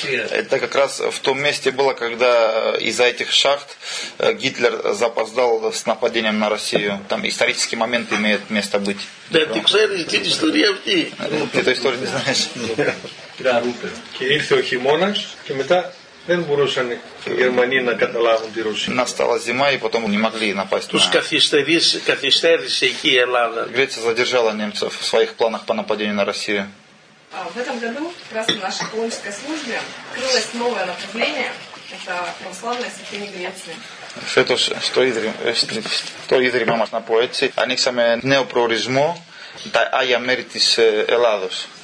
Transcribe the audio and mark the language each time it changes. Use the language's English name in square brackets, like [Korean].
[Russian] Это как раз в том месте было, когда из-за этих шахт Гитлер запоздал с нападением на Россию. Там исторический момент имеет место быть. Да, ты [Greek] ξέρεις, την ιστορία αυτή. [Russian] Ты эту историю не знаешь. [Greek] Και ήρθε ο χειμώνας και μετά δεν μπορούσαν οι Γερμανοί να καταλάβουν τη Ρωσία. [Russian] Настала зима и потом не могли напасть. [Greek] Τους καθυστέρησε εκεί η Ελλάδα. [Russian] Греция задержала немцев в своих планах по нападению на Россию. В этом году как раз в нашей колонической службе открылось новое направление. Это православная святыня Греции. [Greek] Φέτος στο ίδρυμα μας, να πω έτσι, ανοίξαμε νέο προορισμό, τα Άγια Μέρη της Ελλάδος.